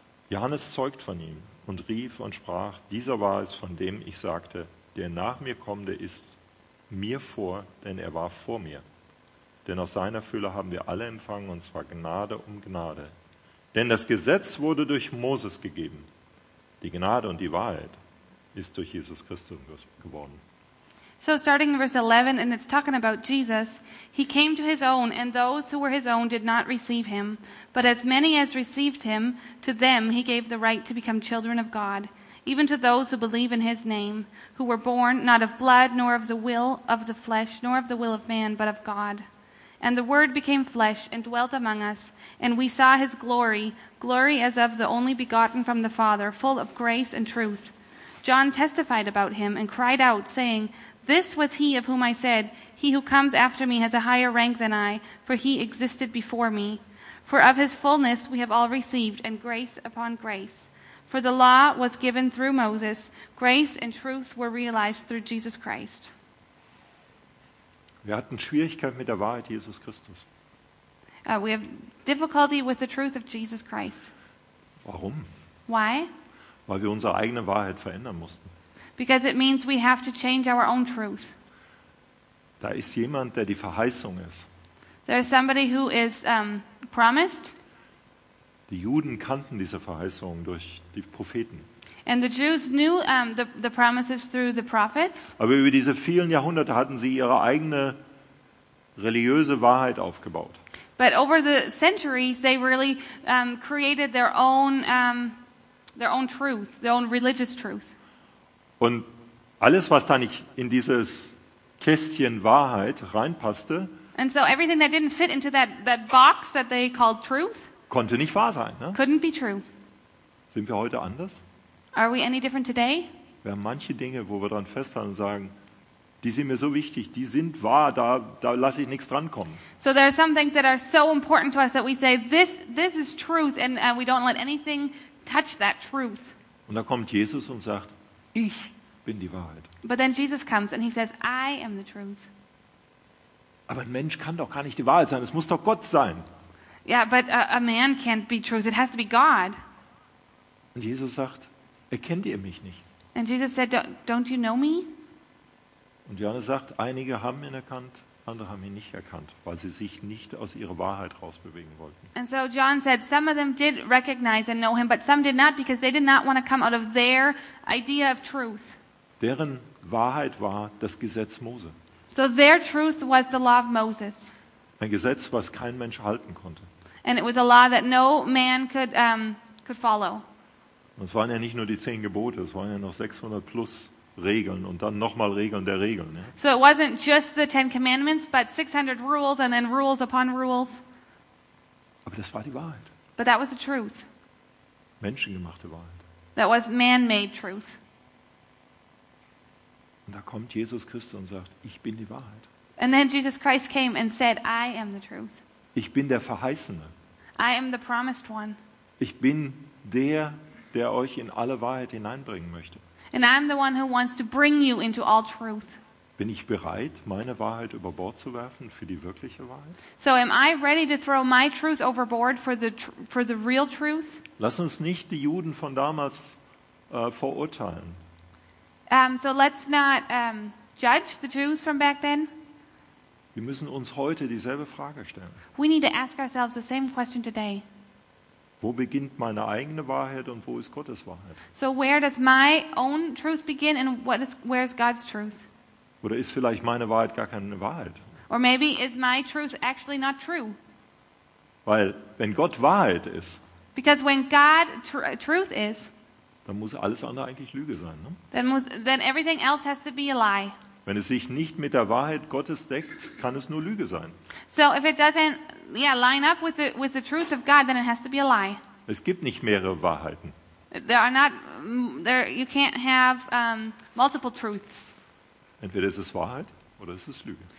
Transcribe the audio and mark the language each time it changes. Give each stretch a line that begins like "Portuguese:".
German: Johannes zeugt von ihm und rief und sprach, dieser war es, von dem ich sagte, der nach mir kommende ist mir vor, denn er war vor mir. Denn aus seiner Fülle haben wir alle empfangen, und zwar Gnade um Gnade. Denn das Gesetz wurde durch Moses gegeben. Die Gnade und die Wahrheit ist durch Jesus Christus geworden.
English: So starting in verse 11, and it's talking about Jesus. He came to his own, and those who were his own did not receive him. But as many as received him, to them he gave the right to become children of God, even to those who believe in his name, who were born not of blood, nor of the will of the flesh, nor of the will of man, but of God. And the word became flesh and dwelt among us, and we saw his glory, glory as of the only begotten from the Father, full of grace and truth. John testified about him and cried out, saying, this was he of whom I said, he who comes after me has a higher rank than I, for he existed before me. For of his fullness we have all received, and grace upon grace. For the law was given through Moses, grace and truth were realized through Jesus Christ.
German: Wir hatten Schwierigkeiten mit der Wahrheit Jesus Christus.
English: We have difficulty with the truth of Jesus Christ.
German: Warum?
English: Why?
German: Weil wir unsere eigene Wahrheit verändern mussten.
English: Because it means we have to change our own truth.
German: Da ist jemand, der die Verheißung ist.
English: There is somebody who is promised.
German: Die Juden kannten diese Verheißung durch die Propheten.
English: And the Jews knew the promises through the prophets.
German: Aber über diese vielen Jahrhunderte hatten sie ihre eigene religiöse Wahrheit aufgebaut.
English: But over the centuries they really created their own truth, their own religious truth.
German: Und alles, was da nicht in dieses Kästchen Wahrheit reinpasste,
English: and so everything that didn't fit into that box that they called truth,
German: konnte nicht wahr sein, ne?
English: Couldn't be true.
German: Sind wir heute anders?
English: Are we any different today?
German: Wir haben manche Dinge, wo wir dran festhalten und sagen, die sind mir so wichtig, die sind wahr, da lasse ich nichts dran kommen.
English: So there are some things that are so important to us that we say this is truth and we don't let anything touch that truth.
German: Und da kommt Jesus und sagt, ich bin die Wahrheit.
English: But then Jesus comes and he says, I am the truth.
German: Aber ein Mensch kann doch gar nicht die Wahrheit sein, es muss doch Gott sein.
English: Yeah, but a man can't be truth, it has to be God.
German: Und Jesus sagt, erkennt ihr mich nicht?
English: And Jesus said, don't you know me?
German: Und Johannes sagt, einige haben ihn erkannt, andere haben ihn nicht erkannt, weil sie sich nicht aus ihrer Wahrheit rausbewegen wollten.
English: And so John said, some of them did recognize and know him, but some did not, because they did not want to come out of their idea of truth.
German: Deren Wahrheit war das Gesetz Mose.
English: So their truth was the law of Moses.
German: Ein Gesetz, was kein Mensch halten konnte.
English: And it was a law that no man could follow.
German: Und es waren ja nicht nur die 10 Gebote, es waren ja noch 600 plus Regeln und dann nochmal Regeln der Regeln. Ja.
English: So it wasn't just the 10 commandments, but 600 rules and then rules upon rules.
German: Aber das war die Wahrheit.
English: But that was the truth.
German: Menschengemachte Wahrheit.
English: That was man-made truth.
German: Und da kommt Jesus Christus und sagt, ich bin die Wahrheit.
English: And then Jesus Christ came and said, I am the truth.
German: Ich bin der Verheißene.
English: I am the promised one.
German: Ich bin der euch in alle Wahrheit hineinbringen möchte.
English: And I'm the one who wants to bring you into all truth.
German: Bin ich bereit, meine Wahrheit über Bord zu werfen für die wirkliche Wahrheit?
English: So am I ready to throw my truth overboard for the real truth?
German: Lass uns nicht die Juden von damals verurteilen.
English: So let's not judge the Jews from back then.
German: Wir müssen uns heute dieselbe Frage stellen.
English: We need to ask ourselves the same question today.
German: Wo beginnt meine eigene Wahrheit und wo ist Gottes Wahrheit?
English: So where does my own truth begin and where is God's truth?
German: Oder ist vielleicht meine Wahrheit gar keine Wahrheit?
English: Or maybe is my truth actually not true?
German: Weil wenn Gott Wahrheit ist,
English: because when God truth is,
German: dann muss alles andere eigentlich Lüge sein, ne?
English: Then everything else has to be a lie.
German: Wenn es sich nicht mit der Wahrheit Gottes deckt, kann es nur Lüge sein.
English: So if it doesn't line up with the truth of God, then it has to be a lie.
German: Es gibt nicht mehrere Wahrheiten.
English: You can't have multiple truths.
German: Entweder ist es Wahrheit oder ist es Lüge.